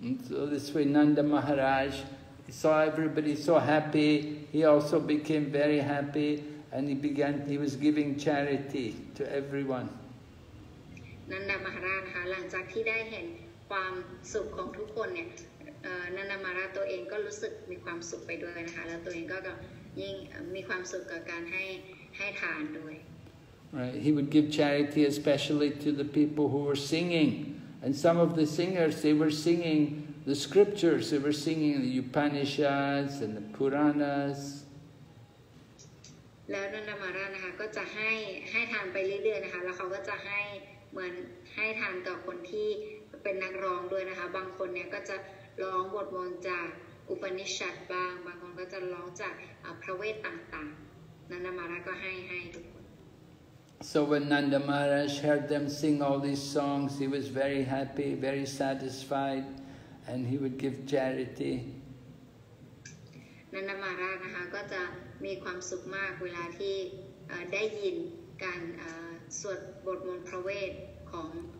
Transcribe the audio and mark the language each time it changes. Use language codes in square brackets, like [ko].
[en] So this way Nanda Maharaj saw everybody so happy he also became very happy and he was giving charity to everyone [th] Nanda Maharaj หลังจากที่ได้เห็นความสุขของทุกคนเนี่ยนันดามาราตัวเองก็รู้สึกมีความสุขไปด้วยนะคะแล้วตัวเองก็ยิ่งมีความสุขกับการให้ทานด้วย [en] Right he would give charity especially to the people who were singing and some of the singers they were singing the scriptures they were singing the Upanishads and the Puranas [th] แล้วนันดามารานะคะก็จะให้ทานไปเรื่อยๆนะคะแล้วเขาก็จะให้เหมือนให้ทานกับคนที่เป็นนักร้องด้วยนะคะบางคนเนี่ยก็จะร้องบทมนต์จากอุปนิชัดบางคนก็จะร้องจากพระเวทต่างๆนันดามาราก็ให้ทุกคน [en] So when Nanda Maharaj heard them sing all these songs he was very happy very satisfied and he would give charity [th] นันดามารานะคะก็จะมีความสุขมากเวลาที่ได้ยินการสวดบทมนต์พระเวทของ